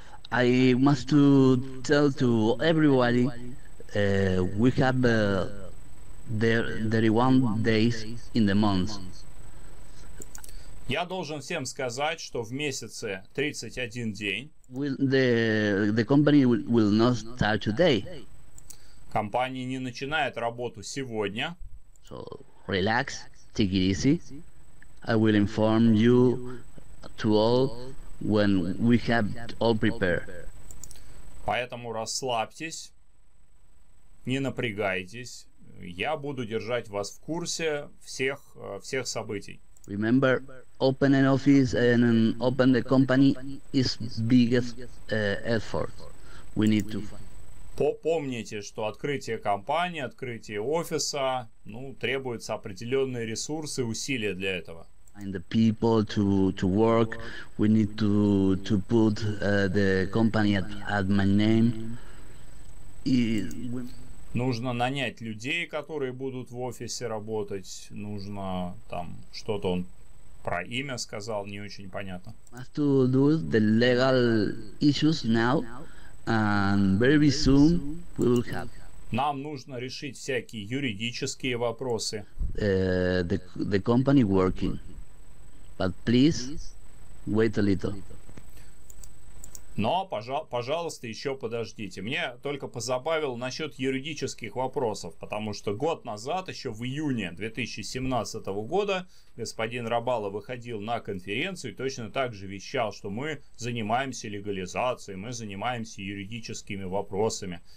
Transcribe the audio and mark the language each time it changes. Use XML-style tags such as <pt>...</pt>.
<en>I must to tell to everybody we have the 31 days in the month.</en> <ru>Я должен всем сказать, что в месяце 31 день.</ru> <en>The company will not start today.</en> <ru>Компания не начинает работу сегодня.</ru> <en>So relax, take it easy. I will inform you to all when we have all prepared.</en> <ru>Поэтому расслабьтесь, не напрягайтесь. Я буду держать вас в курсе всех событий.</ru> <en>Remember, open an office and open the company is biggest effort we need to find.</en> <ru>Помните, что открытие компании, открытие офиса, ну, требуются определенные ресурсы, усилия для этого.</ru> <en>And the people to work, we need to put the company at my name.</en> <ru>Нужно нанять людей, которые будут в офисе работать. Нужно там что-то он про имя сказал, не очень понятно.</ru> <en>Have to do the legal issues now, and very soon we will have.</en> <ru>Нам нужно решить всякие юридические вопросы.</ru> <en>The company working, but please wait a little.</en> <ru>Но, пожалуйста, еще подождите. Мне только позабавило насчет юридических вопросов, потому что год назад, еще в июне 2017 года, господин Рабало выходил на конференцию и точно так же вещал, что мы занимаемся легализацией, мы занимаемся юридическими вопросами.</ru>